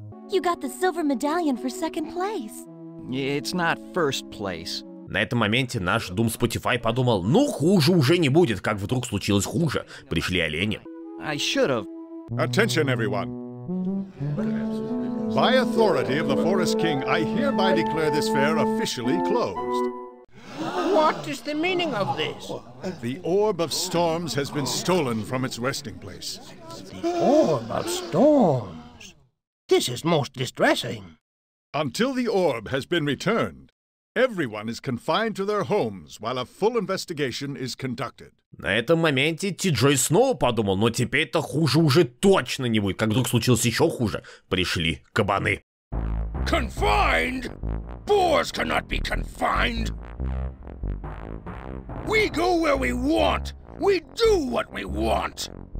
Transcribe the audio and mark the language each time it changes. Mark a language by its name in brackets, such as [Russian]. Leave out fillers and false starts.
[English] You got the silver medallion for second place. It's not first place. [Russian] На этом моменте наш Doom Spotify подумал, ну хуже уже не будет, как вдруг случилось хуже. Пришли олени. [English] I should have. Attention, everyone. By authority of the Forest King, I hereby declare this fair officially closed. What is the meaning of this? The Orb of Storms has been stolen from its resting place. The Orb of Storms? This is most distressing. Until the orb has been returned, everyone is confined to their homes while a full investigation is conducted. [Russian] На этом моменте Ти-Джой снова подумал, но теперь-то хуже уже точно не будет. Как вдруг случилось еще хуже? Пришли кабаны. [English] Confined? Boars cannot be confined. We go where we want. We do what we want.